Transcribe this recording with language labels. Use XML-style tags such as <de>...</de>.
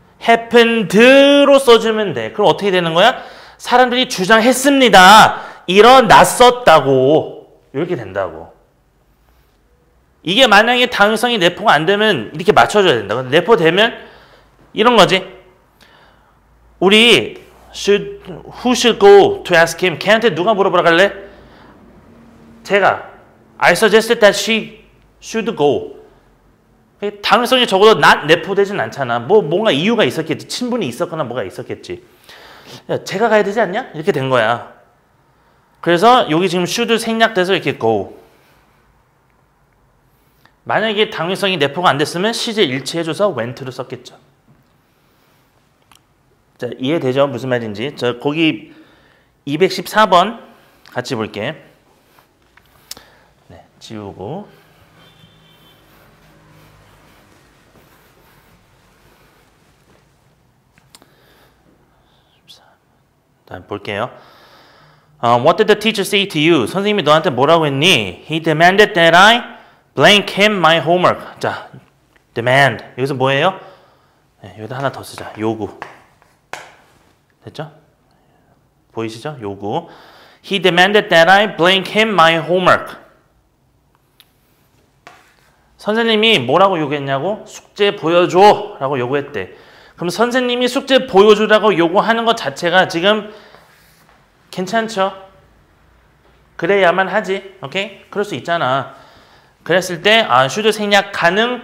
<ko>happened로 써주면 돼. 그럼 어떻게 되는 거야? 사람들이 주장했습니다. 일어났었다고. 이렇게 된다고. 이게 만약에 당위성이 내포가 안 되면 이렇게 맞춰줘야 된다고. 내포되면 이런 거지. 우리</ko> <en>should who should go to ask him?</en> <ko>걔한테 누가 물어보러 갈래? 제가</ko> <en>I suggested that she should go.</en> <ko>당위성이 적어도 not 내포되진 않잖아. 뭐 뭔가 이유가 있었겠지. 친분이 있었거나 뭐가 있었겠지. 야, 제가 가야 되지 않냐? 이렇게 된 거야. 그래서 여기 지금 should 생략돼서 이렇게 go. 만약에 당위성이 내포가 안 됐으면 시제 일치해줘서 went로 썼겠죠. 자, 이해되죠? 무슨 말인지. 자, 거기 214번 같이 볼게. 네, 지우고. 자, 볼게요.</ko> <en>What did the teacher say to you?</en> <ko>선생님이 너한테 뭐라고 했니?</ko> <en>He demanded that I blank him my homework.</en> <ko>자, demand. 여기서 뭐예요? 네, 여기다 하나 더 쓰자. 요구. 됐죠? 보이시죠? 요구.</ko> <en>He demanded that I blank him my homework.</en> <ko>선생님이 뭐라고 요구했냐고? 숙제 보여줘! 라고 요구했대. 그럼 선생님이 숙제 보여주라고 요구하는 것 자체가 지금 괜찮죠? 그래야만 하지. 오케이? 그럴 수 있잖아. 그랬을 때, 아, should 생략 가능?</ko>